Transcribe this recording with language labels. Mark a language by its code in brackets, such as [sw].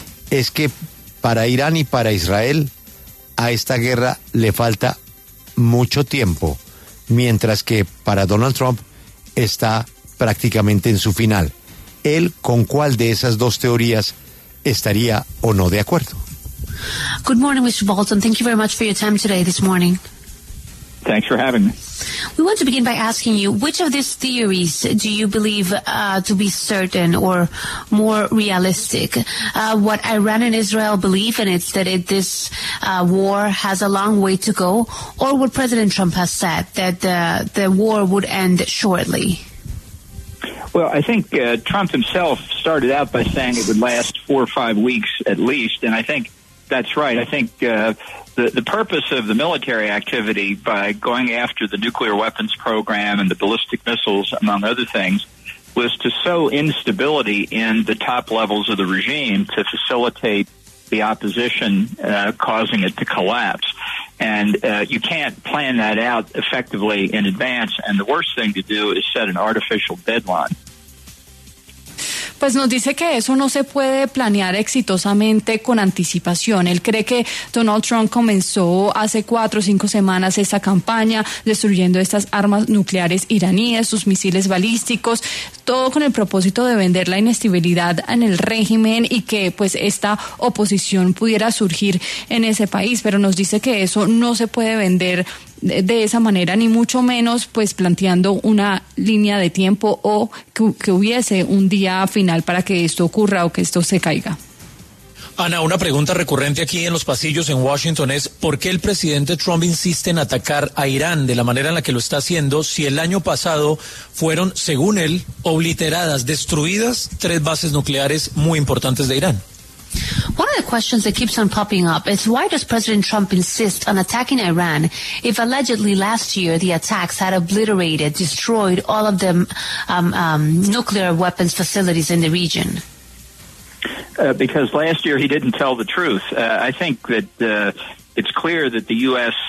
[es] Es que para Irán y para Israel a esta guerra le falta mucho tiempo, mientras que para Donald Trump está prácticamente en su final. ¿Él con cuál de esas dos teorías estaría o no de acuerdo? [en] Good morning, Mr. Bolton. Thank you very much for your time today this morning. Thanks for having me. We want to begin by asking you, which of these theories do you believe to be certain or more realistic? What Iran and Israel believe in is that this war has a long way to go, or what President Trump has said, that the war would end shortly? Well, I think Trump himself started out by saying it would last 4 or 5 weeks at least, and I think that's right. I think the purpose of the military activity by going after the nuclear weapons program and the ballistic missiles, among other things, was to sow instability in the top levels of the regime to facilitate the opposition, causing it to collapse. And you can't plan that out effectively in advance. And the worst thing to do is set an artificial deadline. [es] Pues nos dice que eso no se puede planear exitosamente con anticipación. Él cree que Donald Trump comenzó hace 4 o 5 semanas esta campaña destruyendo estas armas nucleares iraníes, sus misiles balísticos, todo con el propósito de vender la inestabilidad en el régimen y que pues esta oposición pudiera surgir en ese país. Pero nos dice que eso no se puede vender de esa manera, ni mucho menos pues planteando una línea de tiempo o que hubiese un día final para que esto ocurra o que esto se caiga. Ana, una pregunta recurrente aquí en los pasillos en Washington es, ¿por qué el presidente Trump insiste en atacar a Irán de la manera en la que lo está haciendo si el año pasado fueron, según él, obliteradas, destruidas 3 bases nucleares muy importantes de Irán? [en] One of the questions that keeps on popping up is, why does President Trump insist on attacking Iran if allegedly last year the attacks had obliterated, destroyed all of the nuclear weapons facilities in the region? Because last year he didn't tell the truth. I think that it's clear that the U.S.